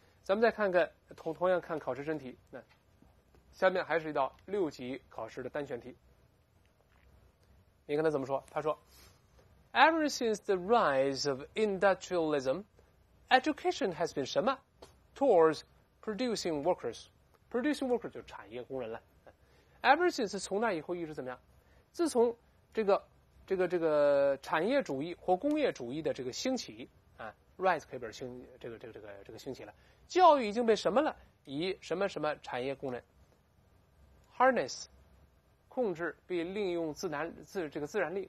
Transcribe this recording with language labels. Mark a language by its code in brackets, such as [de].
[zh] 咱们再看看同样看考试真题，那下面还是一道六级考试的单选题，你看他怎么说。他说 [en] ever since the rise of industrialism education has been [zh] 什么 [en] towards producing workers， producing workers [zh] 就产业工人了。 [en] Ever since [zh] 从那以后一直怎么样？自从这个产业主义或工业主义的这个兴起啊 ，rise 可以表示这个兴起了。教育已经被什么了？以什么什么产业工人 harness 控制并利用自然力。